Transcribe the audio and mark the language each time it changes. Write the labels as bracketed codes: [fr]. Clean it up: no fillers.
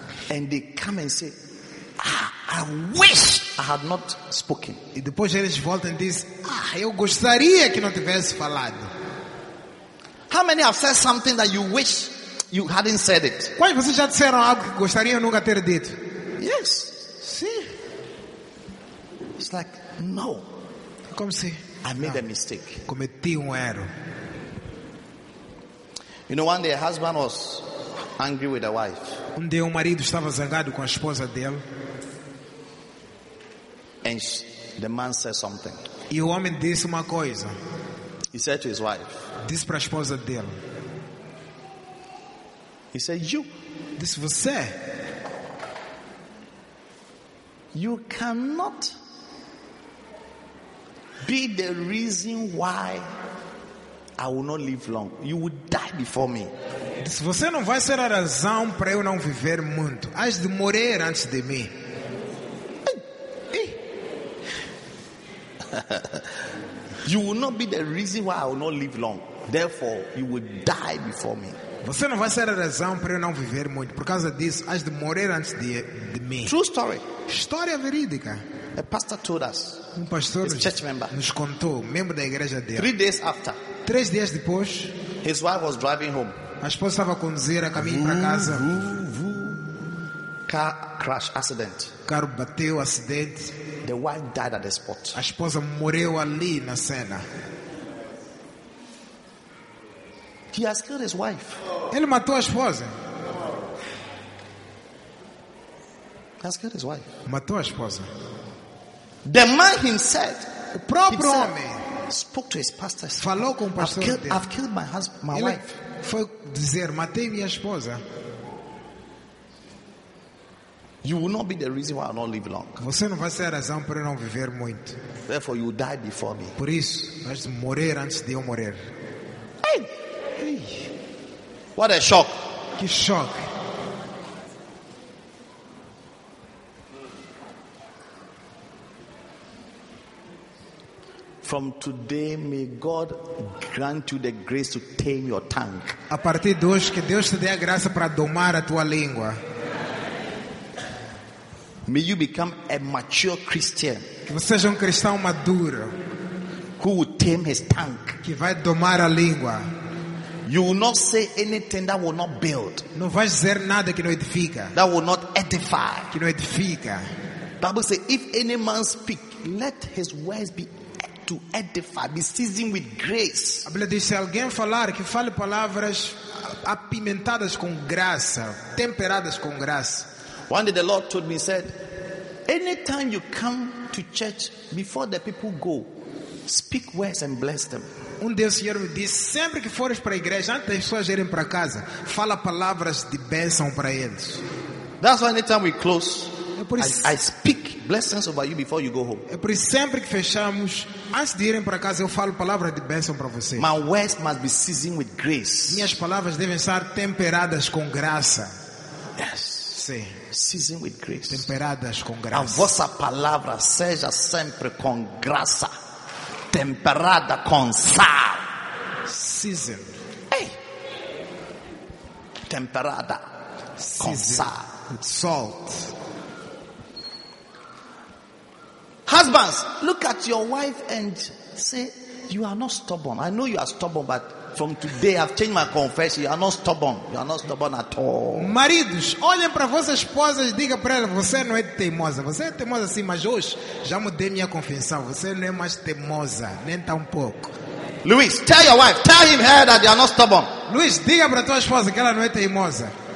[en] And they come and say, ah, I wish I had not spoken. [pt] E depois eles voltam and diz, ah, eu gostaria que não tivesse falado. [en] How many have said something that you wish you hadn't said it? [pt] Quais vocês já disseram algo que gostariam nunca ter dito? [en] Yes. [pt] Sim. [en] It's like, no. [pt] Como se? [en] I made a mistake. [pt] Cometi erro. [en] You know, one day a husband was angry with the wife. [pt] Um dia o marido estava zangado com a esposa dele. [en] And the man said something. [pt] E o homem disse uma coisa. [en] He said to his wife. [pt] Disse para a esposa dele. [en] He said, you. [pt] Disse você. [en] You cannot be the reason why I will not live long. You will die before me. [pt] Se você não vai ser a razão para eu não viver muito, hás de morrer antes de mim. [en] You will not be the reason why I will not live long. Therefore, you will die before me. [pt] Você não vai ser a razão para eu não viver muito. Por causa disso, hás de morrer antes de mim. [en] True story. [pt] História verídica. [en] A pastor told us. [pt] Um pastor, [en] his church member, [pt] nos contou, membro da igreja dele. [en] 3 days after. [pt] 3 dias depois, [en] his wife was driving home. [pt] A esposa estava a conduzir a caminho para casa. [en] Car crash, accident. [pt] Carro bateu, acidente. [en] The wife died at the spot. [pt] A esposa morreu ali na cena. [en] He has killed his wife. [pt] Ele matou a esposa. [en] He has killed his wife. [pt] Matou a esposa. [en] The man himself, [pt] o próprio homem, [en] spoke to his pastor. [pt] Falou com o pastor. [en] I've killed my husband, my wife. [pt] foi dizer, matei minha esposa. [en] You will not be the reason why I not live long. [pt] Você não vai ser a razão para eu não viver muito. [en] Therefore, you die before me. [pt] Por isso, vais morrer antes de eu morrer. [en] Hey, hey. What a shock! [pt] Que choque! [en] From today, may God grant you the grace to tame your tongue. [pt] A partir de hoje, que Deus te dê a graça para domar a tua língua. [en] May you become a mature Christian. [pt] Que você seja cristão maduro. [en] Who will tame his tongue? [pt] Que vai domar a língua. [en] You will not say anything that will not build. [pt] Não vais dizer nada que não edifica. [en] That will not edify. [pt] Que não edifica. [en] Bible says, if any man speak, let his words be to edify, be seasoned with grace. [pt] A Bíblia diz, se alguém falar, que fale palavras apimentadas com graça, temperadas com graça. [en] One day the Lord told me, said, anytime you come to church before the people go, speak words and bless them. [pt] Um dia o Senhor me disse, sempre que fores para a igreja, antes das pessoas irem para casa, fala palavras de bênção para eles. [en] That's why anytime we close, I speak blessings over you before you go home. [pt] É por isso, sempre que fechamos, antes de irem para casa, eu falo palavras de bênção para você. [en] My words must be seasoned with grace. [pt] Minhas palavras devem estar temperadas com graça. [en] Yes. [pt] Sim. [en] Season with grace. [pt] Temperadas com graça. A vossa palavra seja sempre com graça, temperada com sal. [en] Season. [pt] Hey. Temperada. [en] Season. [pt] Com sal. [en] With salt. Husbands, look at your wife and say, you are not stubborn. I know you are stubborn, but from today, I've changed my confession. You are not stubborn. You are not stubborn at all. [pt] Maridos, olhem para vossas esposas e digam para elas, você não é teimosa. Você é teimosa sim, mas hoje já mudei minha confissão. Você não é mais teimosa, nem tampouco. [en] Luis, tell your wife, tell him her that you are not stubborn. [pt] Luis, diga para tua esposa que ela não é teimosa.